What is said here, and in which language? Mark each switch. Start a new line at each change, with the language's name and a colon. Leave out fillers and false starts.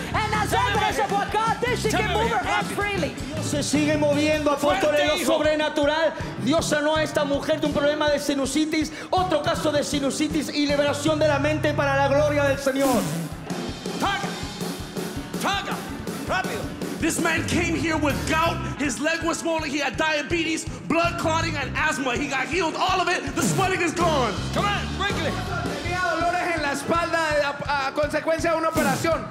English: And as evidence of what God did, she can move her hands freely.
Spanish: Se sigue moviendo, apóstol, en lo sobrenatural. Dios sanó a esta mujer de un problema de sinusitis. Otro caso de sinusitis y liberación de la mente para la gloria del Señor. Taga. Taga. Rápido.
English: This man came here with gout, his leg was swollen, he had diabetes, blood clotting, and asthma. He got healed, all of it, the swelling is gone. Come on, quickly.
Spanish: Tenía dolores en la espalda a consecuencia de una operación.